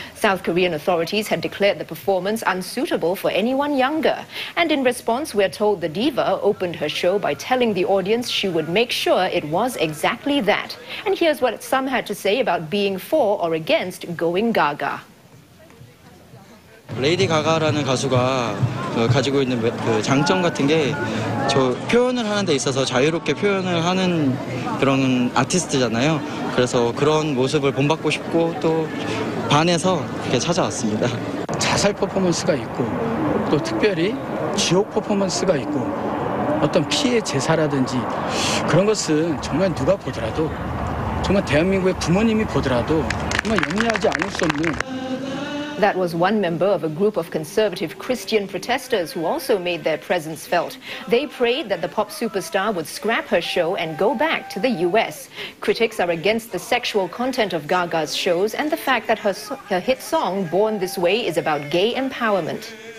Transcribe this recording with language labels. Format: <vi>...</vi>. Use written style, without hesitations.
<en>South Korean authorities had declared the performance unsuitable for anyone younger. And in response, we're told the diva opened her show by telling the audience she would make sure it was exactly that. that. And here's what some had to say about being for or against going Gaga.</en> <ko>Lady Gaga라는 가수가 가지고 있는 그 장점 같은 게 저 표현을 하는 데 있어서 자유롭게 표현을 하는 그런 아티스트잖아요. 그래서 그런 모습을 본받고 싶고 또 반해서 이렇게 찾아왔습니다. 자살 퍼포먼스가 있고 또 특별히 지옥 퍼포먼스가 있고 어떤 피의 제사라든지 그런 것은 정말 누가 보더라도 정말 대한민국의 부모님이 보더라도 정말 염려하지 않을 수 없는.</ko> <en>That was one member of a group of conservative Christian protesters who also made their presence felt. They prayed that the pop superstar would scrap her show and go back to the US. Critics are against the sexual content of Gaga's shows and the fact that her hit song, Born This Way, is about gay empowerment.</en>